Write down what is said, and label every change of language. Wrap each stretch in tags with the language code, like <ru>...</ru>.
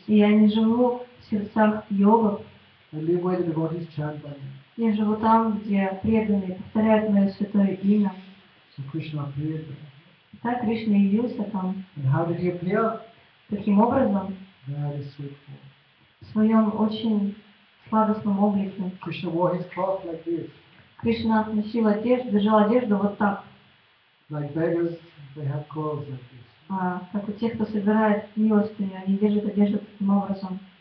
<ru>И я не живу в сердцах йогов.</ru> <en>I live where the devotees chant by me.</en> <ru>Я живу там, где преданные повторяют мое святое имя.</ru> <en>So Krishna appeared there.</en> <ru>Так Кришна явился там.</ru> <en>And how did he appear?</en> <ru>Каким образом?</ru> <en>Very sweetly.</en> <ru>В своем очень сладостном облике.</ru> <en>Krishna wore his cloth like this.</en> <ru>Кришна носил одежду, держал одежду вот так.</ru> <en>Like beggars, they have clothes like this.</en> <ru>А как у тех, кто собирает милостыню, они держат одежду таким образом.</ru>